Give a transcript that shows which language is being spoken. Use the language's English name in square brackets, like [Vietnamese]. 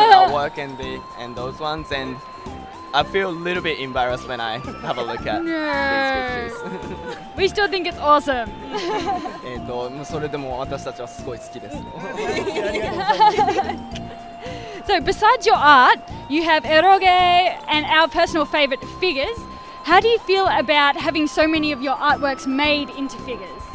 [English] my present artwork and the and those ones, and I feel a little bit embarrassed when I have a look at no. these pictures. We still think it's awesome. [Japanese] それでも私たちはすごい好きです。 [English] So besides your art, you have eroge and our personal favorite figures. How do you feel about having so many of your artworks made into figures?